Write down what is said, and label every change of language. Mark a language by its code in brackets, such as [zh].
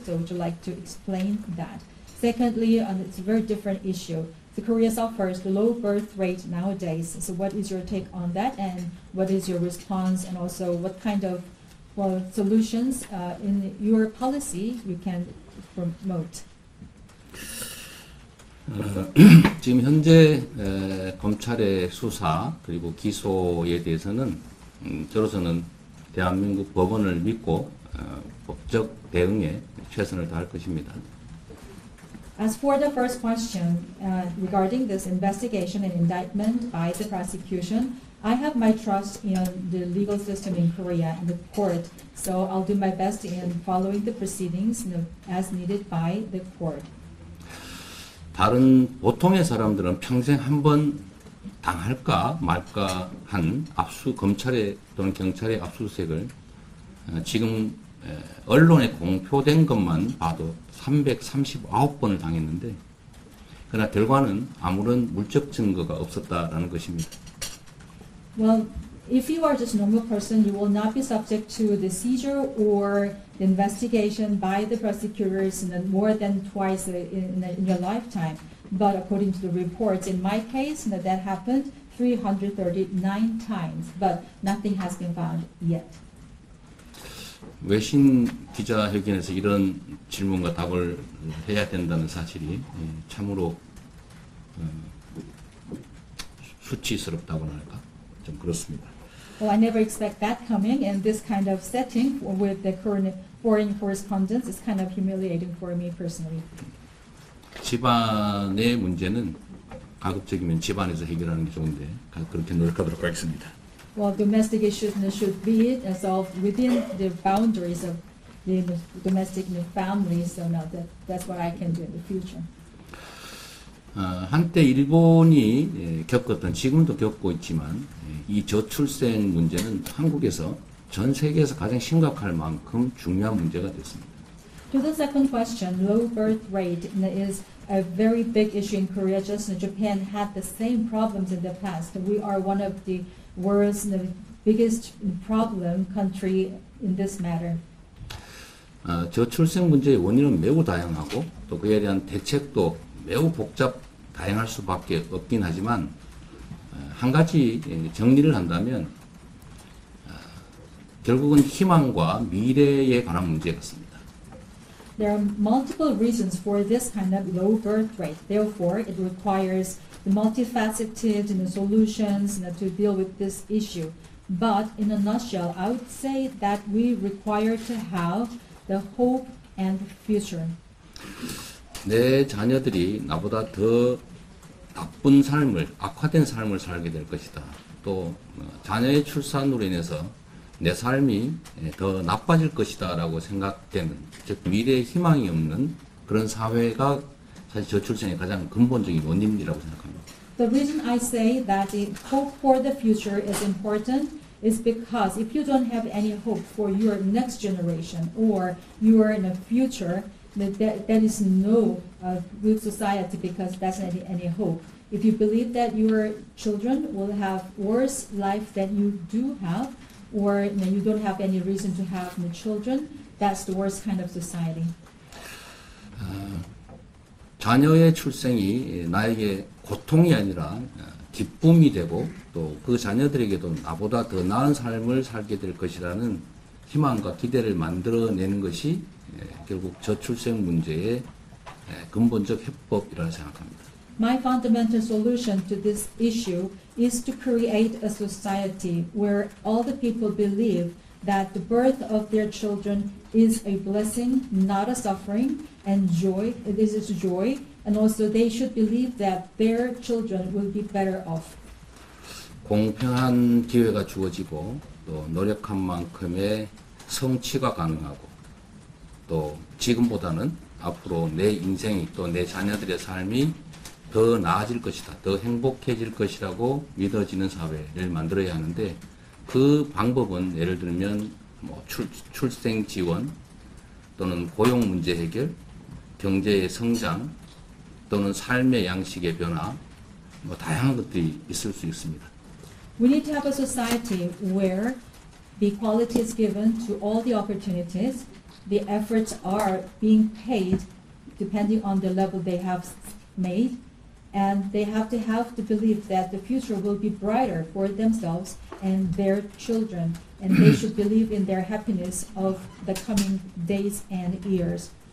[en] So would you like to explain that? Secondly, and it's a very different issue. The Korea suffers the low birth rate nowadays. So what is your take on that? And what is your response? And also what kind of solutions in your policy you can promote? [ko] 지금 현재 검찰의 수사 그리고 기소에 대해서는 저로서는 대한민국 법원을 믿고 법적 대응에 최선을 다할 것입니다. [en] As for the first question regarding this investigation and indictment by the prosecution, I have my trust in the legal system in Korea and the court, so I'll do my best in following the proceedings as needed by the court. [ko] 다른 보통의 사람들은 평생 한 번 당할까 말까 한 압수 검찰의 또는 경찰의 압수수색을 지금 언론에 공표된 것만 봐도 339번을 당했는데 그러나 결과는 아무런 물적 증거가 없었다라는 것입니다. [en] Well, if you are just a normal person, you will not be subject to the seizure or investigation by the prosecutors more than twice in your lifetime. But according to the reports, in my case, that happened 339 times, but nothing has been found yet. [ko] 외신 기자 회견에서 이런 질문과 답을 해야 된다는 사실이 참으로 수치스럽다고나 할까? 좀 그렇습니다. [en] Well, I never expect that coming, and this kind of setting with the current foreign correspondence is kind of humiliating for me personally. [ko] 집안의 문제는 가급적이면 집안에서 해결하는 게 좋은데 그렇게 노력하도록 하겠습니다. [en] Well, domestic issues should be solved within the boundaries of the domestic family, so now that's what I can do in the future. [ko] 한때 일본이 겪었던 지금도 겪고 있지만 이 저출생 문제는 한국에서 전 세계에서 가장 심각할 만큼 중요한 문제가 됐습니다. [en] To the second question, low birth rate is a very big issue in Korea. Just as Japan had the same problems in the past, we are one of the world's biggest problem country in this matter. [ko] 저출생 문제의 원인은 매우 다양하고 또 그에 대한 대책도 매우 복잡 다양할 수밖에 없긴 하지만 한 가지 정리를 한다면 결국은 희망과 미래에 관한 문제 같습니다. [en] There are multiple reasons for this kind of low birth rate. Therefore, it requires the multifaceted solutions to deal with this issue. But in a nutshell, I would say that we require to have the hope and the future. [ko] 내 자녀들이 나보다 더 나쁜 삶을, 악화된 삶을 살게 될 것이다. 또 자녀의 출산으로 인해서 내 삶이 더 나빠질 것이다 라고 생각되는, 즉 미래에 희망이 없는 그런 사회가 사실 저출생의 가장 근본적인 원인이라고 생각합니다. [en] The reason I say that the hope for the future is important is because if you don't have any hope for your next generation or you are in the future, there is no good society because that's any hope. If you believe that your children will have worse life than you do have, or you don't have any reason to have the children, that's the worst kind of society. [ko] 자녀의 출생이 나에게 고통이 아니라 기쁨이 되고 또 그 자녀들에게도 나보다 더 나은 삶을 살게 될 것이라는 희망과 기대를 만들어내는 것이 결국 저출생 문제의 근본적 해법이라고 생각합니다. [en] My fundamental solution to this issue is to create a society where all the people believe that the birth of their children is a blessing, not a suffering, and joy, this is joy, and also they should believe that their children will be better off. [ko] 공평한 기회가 주어지고 또 노력한 만큼의 성취가 가능하고 또 지금보다는 앞으로 내 인생이 또 내 자녀들의 삶이 더 나아질 것이다, 더 행복해질 것이라고 믿어지는 사회를 만들어야 하는데 그 방법은 예를 들면 뭐 출생 지원 또는 고용 문제 해결, 경제의 성장 또는 삶의 양식의 변화 뭐 다양한 것들이 있을 수 있습니다. [en] We need to have a society where the equality is given to all the opportunities, the efforts are being paid depending on the level they have made, and they have the belief that the future will be brighter for themselves and their children, and they should believe in their happiness of the coming days and years.